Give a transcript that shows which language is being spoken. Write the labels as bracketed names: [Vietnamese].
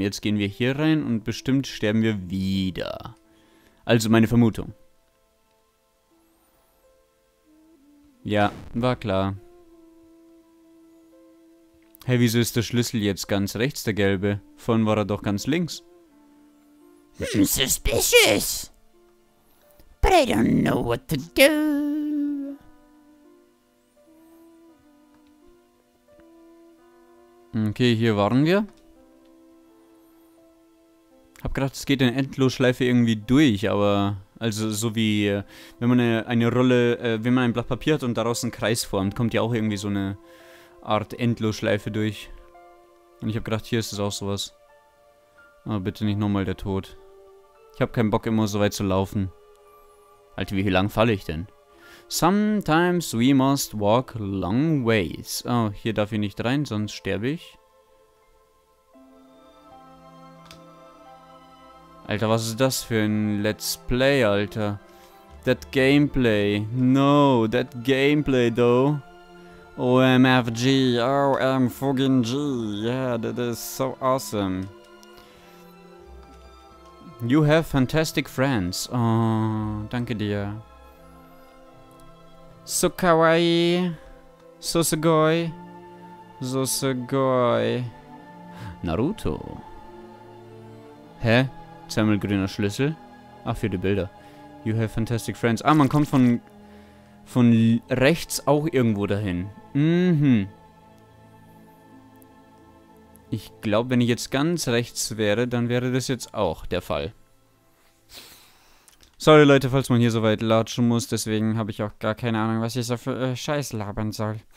[German] Jetzt gehen wir hier rein und bestimmt sterben wir wieder. Also meine Vermutung. Ja, war klar. Hä, hey, wieso ist der Schlüssel jetzt ganz rechts, der gelbe? Vorhin war er doch ganz links. [English] Hm, suspicious. But I don't know what to do. [German] Okay, hier waren wir. Hab gedacht, es geht in Endlosschleife irgendwie durch, aber... Also so wie, wenn man eine Rolle, wenn man ein Blatt Papier hat und daraus einen Kreis formt, kommt ja auch irgendwie so eine... Art Endlosschleife durch. Und ich habe gedacht, hier ist es auch sowas. Aber bitte nicht nochmal der Tod. Ich habe keinen Bock, immer so weit zu laufen. Alter, wie lang falle ich denn? [English] Sometimes we must walk long ways. [German] Oh, hier darf ich nicht rein, sonst sterbe ich. Alter, was ist das für ein Let's Play, Alter? [English] That gameplay. No, that gameplay, though. OMFG, OM fucking G, yeah, that is so awesome. You have fantastic friends. [German] Oh, danke dir. [Japanese] So kawaii. So sugoi. So sugoi. Naruto. Hä? [German] Zermel grüner Schlüssel? Ach, für die Bilder. [English] You have fantastic friends. [German] Ah, man kommt von rechts auch irgendwo dahin. Mhm. Ich glaube, wenn ich jetzt ganz rechts wäre, dann wäre das jetzt auch der Fall. Sorry Leute, falls man hier so weit latschen muss, deswegen habe ich auch gar keine Ahnung, was ich so für Scheiß labern soll.